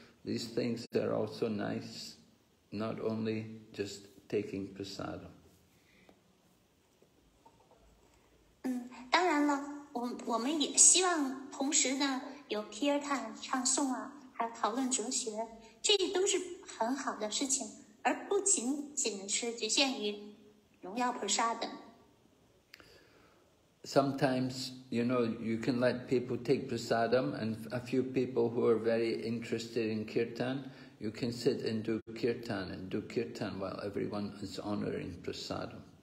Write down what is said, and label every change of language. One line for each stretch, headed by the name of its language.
English: These things are also nice, not only just taking prasadam.
Chinese: 当然了，我们也希望同时呢有 kirtan 唱诵啊，还讨论哲学，这都是很好的事情。
English: Sometimes, you know, you can let people take prasadam, and a few people who are very interested in kirtan, you can sit and do kirtan while everyone is honoring prasadam.